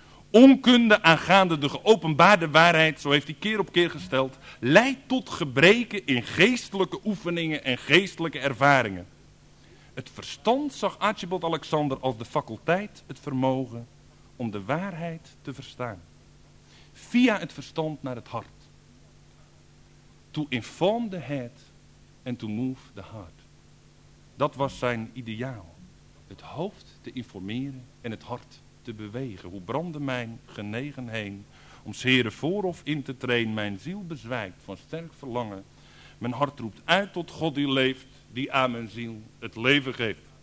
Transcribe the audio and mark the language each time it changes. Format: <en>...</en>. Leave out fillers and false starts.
<nl>Onkunde aangaande de geopenbaarde waarheid, zo heeft hij keer op keer gesteld, leidt tot gebreken in geestelijke oefeningen en geestelijke ervaringen. Het verstand zag Archibald Alexander als de faculteit, het vermogen om de waarheid te verstaan. Via het verstand naar het hart.</nl> <en>To inform the head and to move the heart.</en> <nl>Dat was zijn ideaal. Het hoofd te informeren en het hart te bewegen. Hoe brandde mijn genegen heen om s'Heere voor of in te trainen. Mijn ziel bezwijkt van sterk verlangen. Mijn hart roept uit tot God die leeft, die aan mijn ziel het leven geeft.</nl>